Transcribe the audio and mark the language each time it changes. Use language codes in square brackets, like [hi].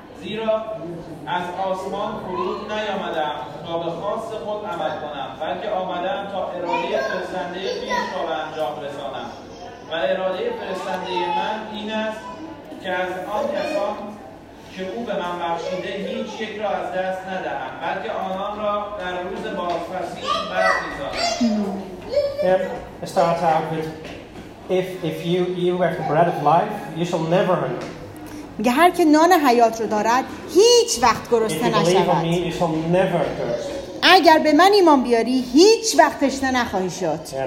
[fa] زیرا از آسمان فرود نیامدم تا به خواست خود عمل کنم بلکه آمدم تا اراده فرستنده خویش را به انجام رسانم و اراده فرستنده من این است که از آن کسان که او به من بخشیده هیچ یک را از دست ندهم بلکه آنان را در روز بازپسین برخیزانم. [en] If you have the bread of life, you shall never hunger. [fa] میگه هر که نان حیات رو دارد هیچ وقت گرسنه نشود. اگر به من ایمان بیاری هیچ وقت تشنه نخواهی شد.